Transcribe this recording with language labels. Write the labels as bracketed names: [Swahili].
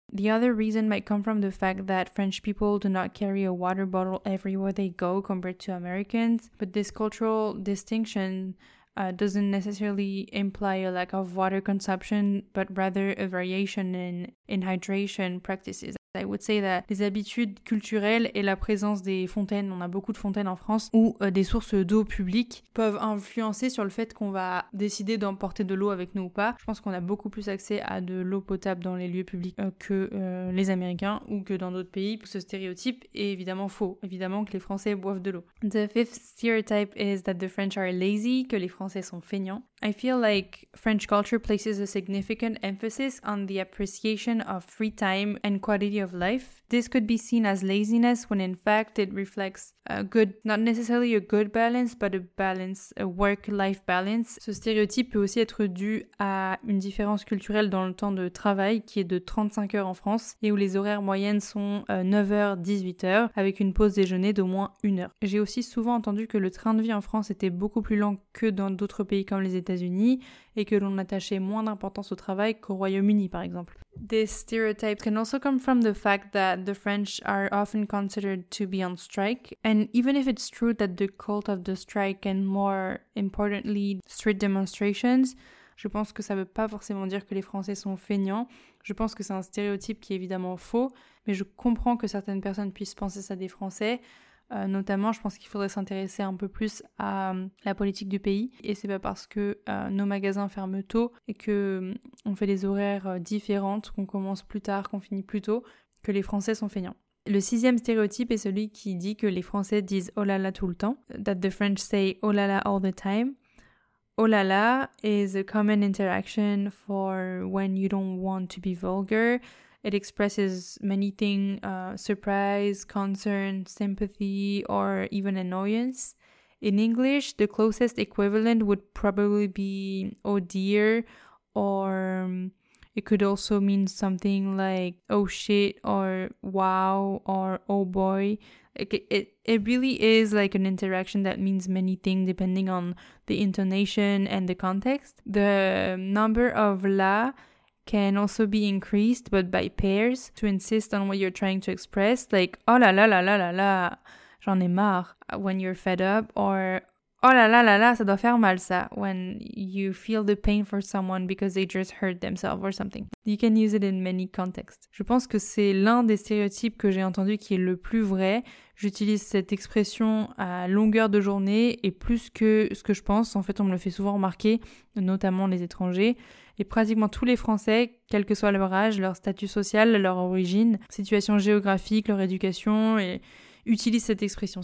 [English] The other reason might come from the fact that French people do not carry a water bottle everywhere they go compared to Americans, but this cultural distinction doesn't necessarily imply a lack of water consumption, but rather a variation in hydration practices. I would say that [French] les habitudes culturelles et la présence des fontaines, on a beaucoup de fontaines en France, ou des sources d'eau publiques peuvent influencer sur le fait qu'on va décider d'emporter de l'eau avec nous ou pas. Je pense qu'on a beaucoup plus accès à de l'eau potable dans les lieux publics que les Américains ou que dans d'autres pays. Ce stéréotype est évidemment faux. Évidemment que les Français boivent de l'eau. [English] The fifth stereotype is that the French are lazy, [French] que les Français sont feignants. [English] I feel like French culture places a significant emphasis on the appreciation of free time and quality of life. This could be seen as laziness when in fact it reflects a good, not necessarily a good balance, but a balance, a work-life balance. [French] Ce stéréotype peut aussi être dû à une différence culturelle dans le temps de travail qui est de 35 heures en France et où les horaires moyennes sont 9h-18h avec une pause déjeuner d'au moins 1h. J'ai aussi souvent entendu que le train de vie en France était beaucoup plus lent que dans d'autres pays comme les États-Unis et que l'on attachait moins d'importance au travail qu'au Royaume-Uni par exemple. [English] This stereotype can also come from the fact that the French are often considered to be on strike. And even if it's true that the cult of the strike and more importantly street demonstrations, [French] je pense que ça veut pas forcément dire que les Français sont feignants. Je pense que c'est un stéréotype qui est évidemment faux, mais je comprends que certaines personnes puissent penser ça des Français. Notamment, je pense qu'il faudrait s'intéresser un peu plus à la politique du pays. Et c'est pas parce que nos magasins ferment tôt et qu'on fait des horaires différentes, qu'on commence plus tard, qu'on finit plus tôt, que les Français sont feignants. Le sixième stéréotype est celui qui dit que les Français disent « oh là là » tout le temps. [English] That the French say « oh là là » all the time. Oh là là is a common interaction for when you don't want to be vulgar. It expresses many things, surprise, concern, sympathy, or even annoyance. In English, the closest equivalent would probably be oh dear, or it could also mean something like oh shit or wow or oh boy. It really is like an interaction that means many things depending on the intonation and the context. The number of la can also be increased, but by pairs to insist on what you're trying to express, like oh la la la la la la, [French] j'en ai marre, [English] when you're fed up, or oh la la la la, [French] ça doit faire mal ça, [English] when you feel the pain for someone because they just hurt themselves or something. You can use it in many contexts. [French] Je pense que c'est l'un des stéréotypes que j'ai entendu qui est le plus vrai. J'utilise cette expression à longueur de journée et plus que ce que je pense. En fait, on me le fait souvent remarquer, notamment les étrangers. Et pratiquement tous les Français, quel que soit leur âge, leur statut social, leur origine, situation géographique, leur éducation, et utilise cette expression.